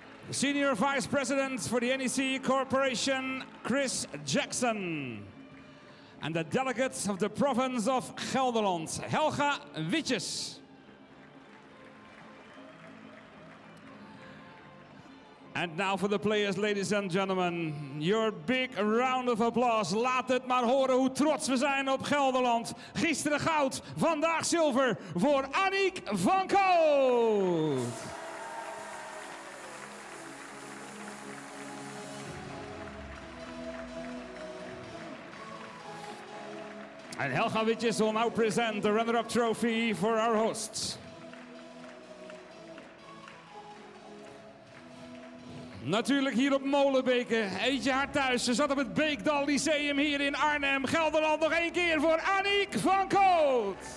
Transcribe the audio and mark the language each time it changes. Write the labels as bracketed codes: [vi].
[en] Senior Vice President for the NEC Corporation, Chris Jackson. And the delegates of the province of Gelderland, Helga Witjes. And now for the players, ladies and gentlemen, your big round of applause. [nl] Laat het maar horen hoe trots we zijn op Gelderland. Gisteren goud, vandaag zilver voor Aniek van Koot. [en] And Helga Witjes will now present the runner-up trophy for our hosts. [nl] Natuurlijk hier op Molenbeke, eentje haar thuis. Ze zat op het Beekdal Lyceum hier in Arnhem, Gelderland. Nog één keer voor Aniek van Koot.